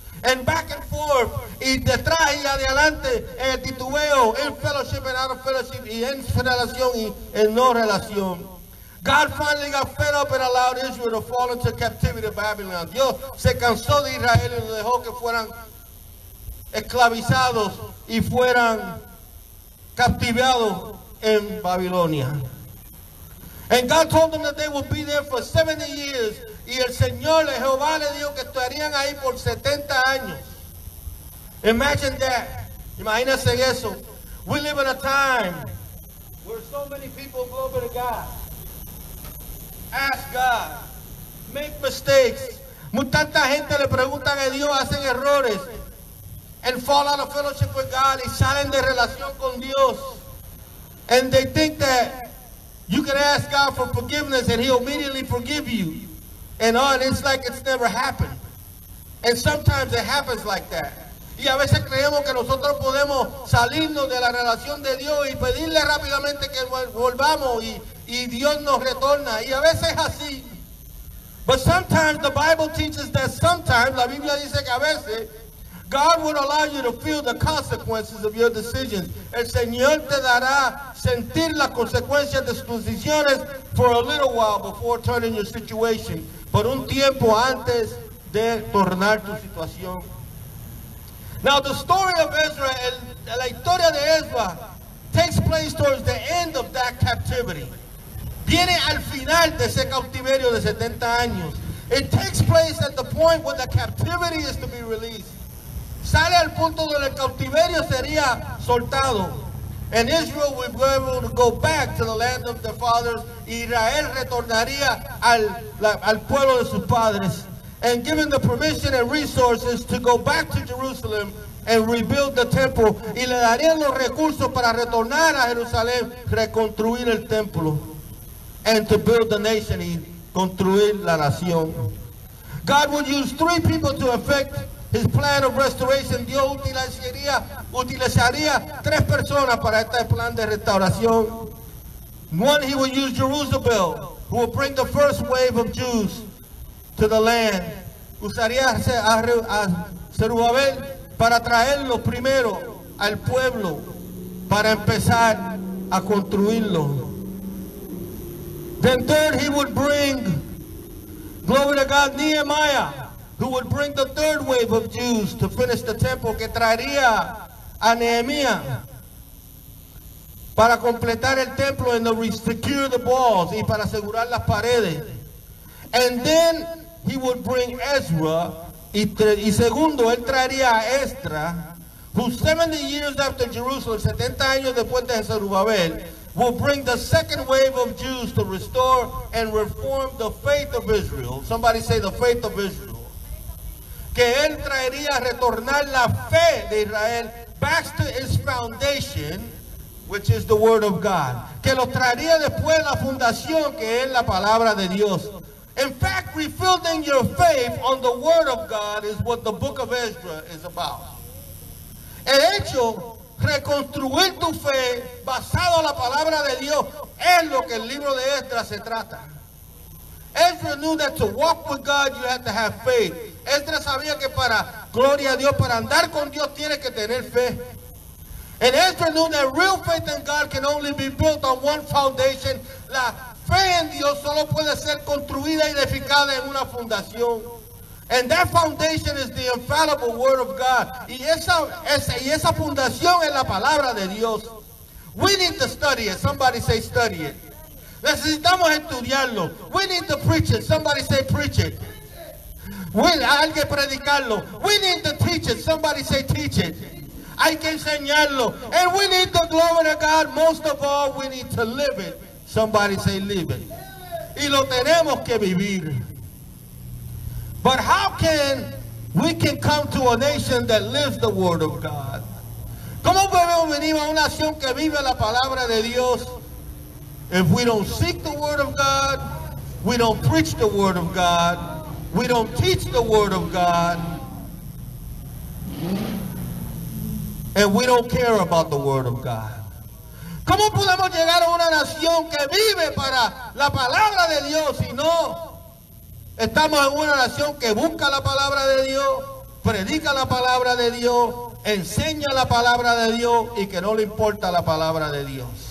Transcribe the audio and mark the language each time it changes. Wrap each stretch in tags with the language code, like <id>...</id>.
<en>And back and forth,</en> <es>y detrás y adelante, en el titubeo,</es> <en>in fellowship and out of fellowship,</en> <es>y en relación y en no relación.</es> <en>God finally got fed up and allowed Israel to fall into captivity of Babylon.</en> <es>Dios se cansó de Israel y lo dejó que fueran esclavizados y fueran captivados en Babilonia.</es> <en>And God told them that they would be there for 70 years.</en> <es>Y el Señor, Jehová, le dijo que estarían ahí por 70 años.</es> <en>Imagine that.</en> <es>Imagínense eso.</es> <en>We live in a time where so many people go over to God, ask God, make mistakes.</en> <es>Tanta gente le preguntan a Dios, hacen errores,</es> <en>and fall out of fellowship with God,</en> <es>y salen de relación con Dios,</es> <en>and they think that you can ask God for forgiveness and he'll immediately forgive you, and all, it's like it's never happened. And sometimes it happens like that.</en> <es>Y a veces creemos que nosotros podemos salirnos de la relación de Dios y pedirle rápidamente que volvamos y Dios nos retorna. Y a veces es así.</es> <en>But sometimes the Bible teaches that sometimes,</en> <es>la Biblia dice que a veces,</es> <en>God would allow you to feel the consequences of your decisions.</en> <es>El Señor te dará sentir las consecuencias de tus decisiones</es> <en>for a little while before turning your situation.</en> <es>Por un tiempo antes de tornar tu situación.</es> <en>Now the story of Ezra,</en> <es>la historia de Ezra,</es> <en>takes place towards the end of that captivity.</en> <es>Viene al final de ese cautiverio de 70 años.</es> <en>It takes place at the point when the captivity is to be released.</en> <es>Sale al punto donde el cautiverio sería soltado.</es> <en>And Israel would be able to go back to the land of their fathers.</en> <es>Israel retornaría al pueblo de sus padres.</es> <en>And given the permission and resources to go back to Jerusalem and rebuild the temple.</en> <es>Y le darían los recursos para retornar a Jerusalén, reconstruir el templo.</es> <en>And to build the nation</en> <es>y construir la nación.</es> <en>God would use three people to effect His plan of restoration,</en> <es>Dios utilizaría tres personas para este plan de restauración.</es> <en>One, he will use Jerusalem, who will bring the first wave of Jews to the land.</en> <es>Usaría a Zerubbabel para traerlo primero al pueblo para empezar a construirlo.</es> <en>Then third, he would bring, glory to God, Nehemiah, who would bring the third wave of Jews to finish the temple,</en> <es>que traería a Nehemiah para completar el templo</es> <en>and to secure the walls</en> <es>y para asegurar las paredes.</es> <en>And then he would bring Ezra,</en> <es>y segundo, él traería a Ezra,</es> <en>who 70 years after Jerusalem,</en> <es>70 años después de Zerubbabel,</es> <en>will bring the second wave of Jews to restore and reform the faith of Israel. Somebody say the faith of Israel.</en> <es>Que él traería retornar la fe de Israel</es> <en>back to its foundation, which is the word of God.</en> <es>Que lo traería después la fundación, que es la palabra de Dios.</es> <en>In fact, refilling your faith on the word of God is what the book of Ezra is about.</en> <es>El hecho, reconstruir tu fe basado en la palabra de Dios, es lo que el libro de Ezra se trata.</es> <en>Ezra knew that to walk with God you had to have faith.</en> <es>Ezra sabía que para, gloria a Dios, para andar con Dios tiene que tener fe.</es> <en>And Ezra knew that real faith in God can only be built on one foundation.</en> <es>La fe en Dios solo puede ser construida y edificada en una fundación.</es> <en>And that foundation is the infallible word of God.</en> <es>Y esa fundación es la palabra de Dios.</es> <en>We need to study it. Somebody say study it.</en> <es>Necesitamos estudiarlo.</es> <en>We need to preach it. Somebody say preach it.</en> <es>Hay que predicarlo.</es> <en>We need to teach it. Somebody say teach it.</en> <es>Hay que enseñarlo.</es> <en>And we need the glory of God. Most of all, we need to live it. Somebody say live it.</en> <es>Y lo tenemos que vivir.</es> <en>But how can we can come to a nation that lives the word of God?</en> <es>¿Cómo podemos venir a una nación que vive la palabra de Dios?</es> <en>If we don't seek the word of God, we don't preach the word of God, we don't teach the word of God, and we don't care about the word of God.</en> <es>¿Cómo podemos llegar a una nación que vive para la palabra de Dios y no estamos en una nación que busca la palabra de Dios, predica la palabra de Dios, enseña la palabra de Dios y que no le importa la palabra de Dios?</es>